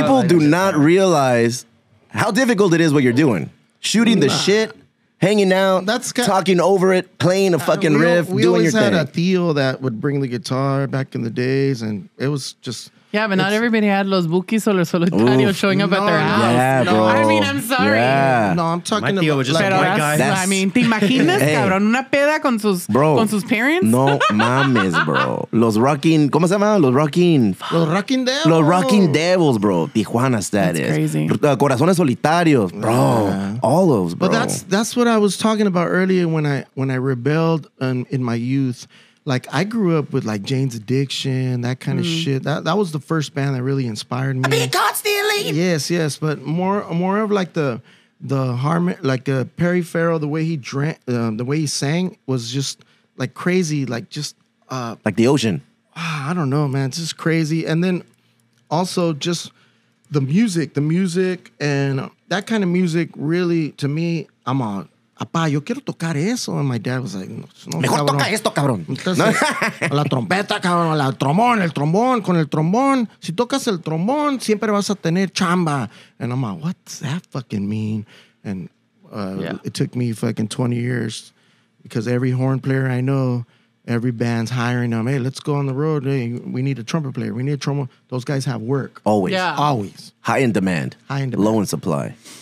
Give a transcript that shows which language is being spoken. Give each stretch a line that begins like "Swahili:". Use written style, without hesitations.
English: People do not realize how difficult it is what you're doing. Shooting the shit, hanging out, talking over it, playing a fucking riff, doing your thing. We always had a Theo that would bring the guitar back in the days, and it was just... Yeah, but not everybody had Los Bukis or Los Solitarios showing up at their house. Yeah, bro. I mean, I'm sorry. Yeah. No, I'm talking my about... My Theo was just like, white guys.
Spanish: I mean, ¿te imaginas, cabrón, una peda con sus parents? No mames, bro. Los Rocking... ¿Cómo se llama? Los Rocking Devils.
English: Los Rocking Devils, bro. Tijuana status. That's crazy. Corazones Solitarios, bro. Yeah. All those, bro. But that's what I was talking about earlier when I rebelled in my youth. Like, I grew up with, like, Jane's Addiction, that kind of shit. That was the first band that really inspired me. I mean, constantly. Yes, yes. But more of, like, the harmony, like, Perry Farrell, the way he drank, the way he sang was just, like, crazy. Like, just... Like the ocean. I don't know, man. It's just crazy. And then also just the music and that kind of music really, to me, I'm a... Papá, yo quiero tocar eso. And my dad was like, no,
Spanish: mejor Toca esto, cabrón. Entonces, la trompeta, cabrón, la trombón, el trombón, con el trombón. Si tocas el trombón, siempre vas a tener chamba.
English: And I'm like, what does that fucking mean? And it took me fucking 20 years because every horn player I know, every band's hiring them. Hey, let's go on the road. Hey, we need a trumpet player. We need a trombone. Those guys have work. Always. Yeah. Always. High in demand. Low in supply.